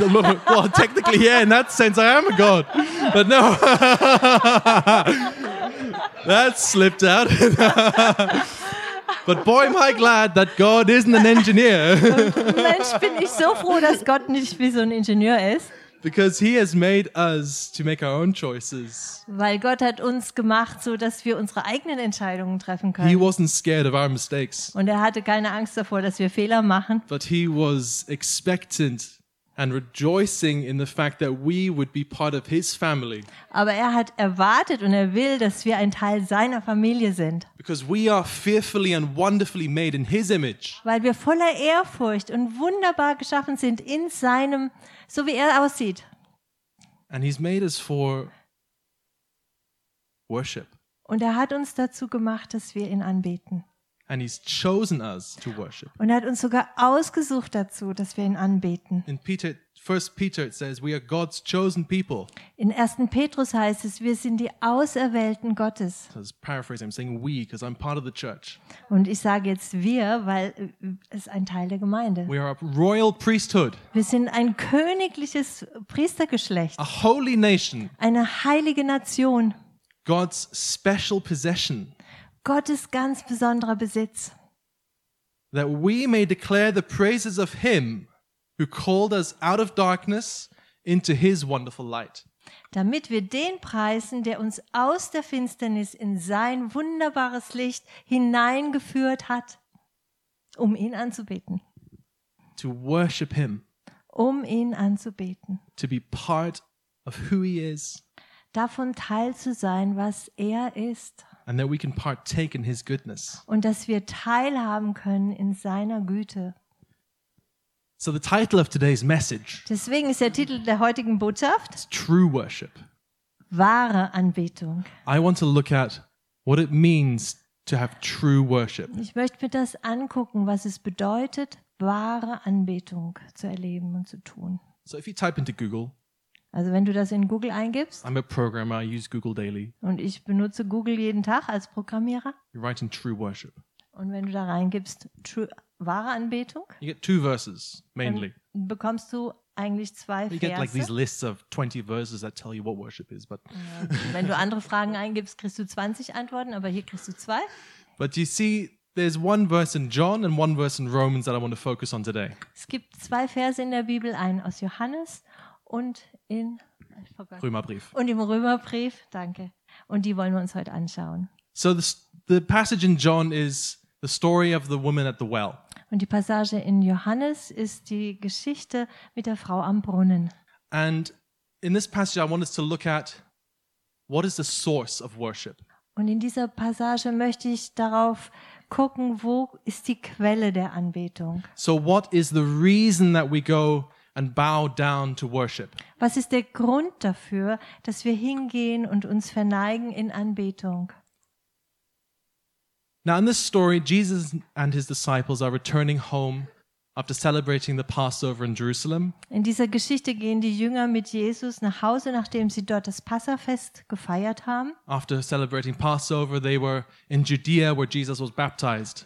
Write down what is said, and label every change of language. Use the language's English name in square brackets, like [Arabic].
[English] Well, technically, yeah, in that sense, I am a God. But no. That slipped out. But boy, am I glad that God isn't an engineer. [German] Mensch, bin ich so froh, dass Gott nicht wie so ein Ingenieur ist. [English] Because he has made us to make our own choices. [German] Weil Gott hat uns gemacht, so dass wir unsere eigenen Entscheidungen treffen können. [English] He wasn't scared of our mistakes. [German] Und er hatte keine Angst davor, dass wir Fehler machen. [English] But he was expectant. And rejoicing in the fact that we would be part of his family. [German] Aber er hat erwartet und er will, dass wir ein Teil seiner Familie sind. [English] Because we are fearfully and wonderfully made in his image. [German] Weil wir voller Ehrfurcht und wunderbar geschaffen sind in seinem, so wie er aussieht. [English] And he's made us for worship. [German] Und er hat uns dazu gemacht, dass wir ihn anbeten. [English] And he's chosen us to worship. [German] Und er hat uns sogar ausgesucht dazu, dass wir ihn anbeten. [English] In Peter, 1 Peter it says we are God's chosen people. [German] In 1. Petrus heißt es, wir sind die Auserwählten Gottes. [English] So I'm paraphrasing, I'm saying we because I'm part of the church. [German] Und ich sage jetzt wir, weil es ein Teil der Gemeinde. [English] We are a royal priesthood. [German] Wir sind ein königliches Priestergeschlecht. [English] A holy nation. [German] Eine heilige Nation. [English] God's special possession. [German] Gottes ganz besonderer Besitz. [English] That we may declare the praises of him who called us out of darkness into his wonderful light. [German] Damit wir den preisen, der uns aus der Finsternis in sein wunderbares Licht hineingeführt hat, um ihn anzubeten. [English] To worship him. [German] Um ihn anzubeten. [English] To be part of who he is. [German] Davon Teil zu sein, was er ist. [English] And that we can partake in his goodness. [German] Und dass wir teilhaben können in seiner Güte. [English] So the title of today's message. [German] Deswegen ist der Titel der heutigen Botschaft. [English] True worship. [German] Wahre Anbetung. [English] I want to look at what it means to have true worship. [German] Ich möchte mir das angucken, was es bedeutet, wahre Anbetung zu erleben und zu tun. [English] So if you type into Google, [German] also wenn du das in Google eingibst, [English] I'm a programmer, I use Google daily, [German] und ich benutze Google jeden Tag als Programmierer, [English] you write in true worship. [German] Und wenn du da reingibst, true, wahre Anbetung, [English] you get two verses, mainly. [German] Dann bekommst du eigentlich zwei [English] you [German] Verse. [English] Get like these lists of 20 verses that tell you what worship is, but [German] wenn du andere Fragen eingibst, kriegst du 20 Antworten, aber hier kriegst du zwei. [English] But you see, there's one verse in John and one verse in Romans that I want to focus on today. [German] Es gibt zwei Verse in der Bibel, einen aus Johannes und in Römerbrief. Und im Römerbrief, danke. Und die wollen wir uns heute anschauen. [English] So the passage in John is the story of the woman at the well. [German] Und die Passage in Johannes ist die Geschichte mit der Frau am Brunnen. [English] And in this passage I want us to look at what is the source of worship. [German] Und in dieser Passage möchte ich darauf gucken, wo ist die Quelle der Anbetung? [English] So what is the reason that we go and bow down to worship? [German] Was ist der Grund dafür, dass wir hingehen und uns verneigen in Anbetung? [English] Now in this story, Jesus and his disciples are returning home after celebrating the Passover in Jerusalem. [German] In dieser Geschichte gehen die Jünger mit Jesus nach Hause, nachdem sie dort das Passafest gefeiert haben. [English] After celebrating Passover, they were in Judea where Jesus was baptized.